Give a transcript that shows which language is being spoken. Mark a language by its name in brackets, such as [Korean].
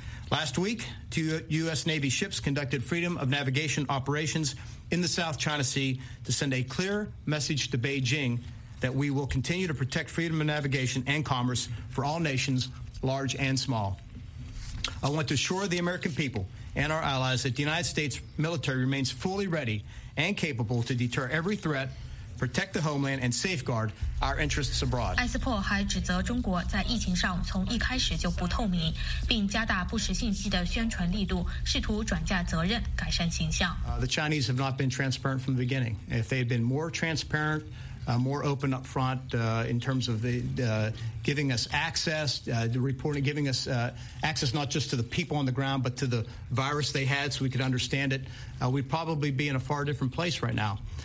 [English] Last week, two U.S. Navy ships conducted freedom of navigation operations in the South China Sea to send a clear message to Beijing that we will continue to protect freedom of navigation and commerce for all nations, large and small. I want to assure the American people and our allies that the United States military remains fully ready and capable to deter every threat. Protect the homeland and safeguard our interests abroad. [Chinese] 埃斯珀还指责中国在疫情上从一开始就不透明，并加大不实信息的宣传力度，试图转嫁责任，改善形象。 [English] The Chinese have not been transparent from the beginning. If they had been more transparent, more open up front in terms of the giving us access, the reporting, giving us access not just to the people on the ground, but to the virus they had so we could understand it, we'd probably be in a far different place right now.